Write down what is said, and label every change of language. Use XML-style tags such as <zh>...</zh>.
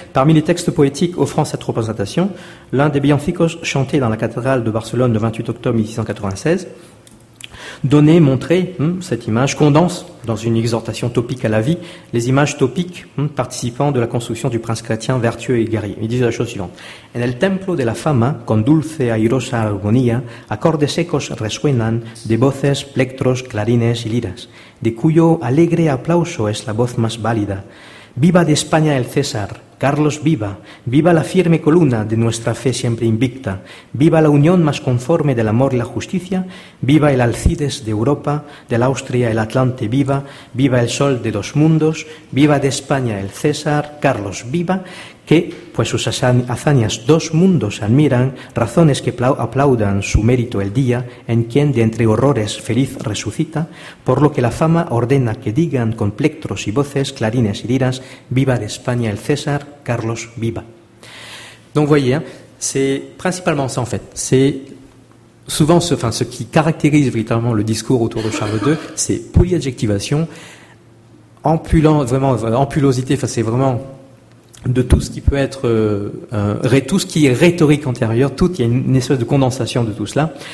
<fr>Parmi les textes poétiques offrant cette représentation, l'un des Biencicos chanté dans la cathédrale de Barcelone le 28 octobre 1696, donnait, montrait cette image, condense dans une exhortation topique à la vie, les images topiques participant de la construction du prince chrétien vertueux et guerrier. Il disait la chose suivante.</fr> <es>En el templo de la fama, con dulce airosa armonía, acordes ecos resuenan de voces, plectros, clarines y liras, de cuyo alegre aplauso es la voz más válida. Viva de España el César, Carlos viva, viva la firme columna de nuestra fe siempre invicta, viva la unión más conforme del amor y la justicia, viva el Alcides de Europa, de la Austria el Atlante viva, viva el sol de dos mundos, viva de España el César, Carlos viva, que pues sus hazañas dos mundos admiran, razones que aplaudan su mérito el día, en quien de entre horrores feliz resucita, por lo que la fama ordena que digan con plectros y voces, clarines y liras, viva de España el César, Carlos viva.</es> <fr>Donc voyez, c'est principalement ça en fait, c'est souvent ce qui caractérise véritablement le discours autour de Charles II, c'est polyadjectivation, ampulosité, enfin c'est vraiment de tout ce qui peut être tout ce qui est rhétorique antérieure, tout, il y a une espèce de condensation de tout cela.</fr>